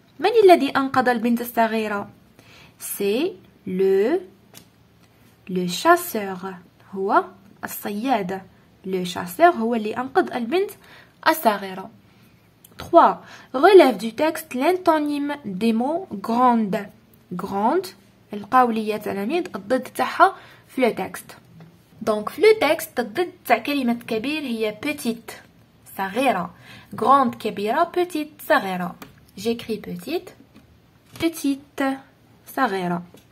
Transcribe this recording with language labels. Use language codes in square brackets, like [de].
[ar] من الذي أنقذ البنت الصغيرة؟ [fr] C'est le chasseur. [ar] هو الصياد. Le chasseur هو اللي أنقذ البنت الصغيرة. 3. [fr] Relève du texte l'antonyme des mots grande. Grande. [ar] القولية تلاميذ الضد تاعها في لو تيكست. دونك في لو تيكست الضد تاع كلمة كبير هي بيتيت صغيرة. غروند كبيرة, بيتيت صغيرة. جيكري بيتيت, بيتيت صغيرة.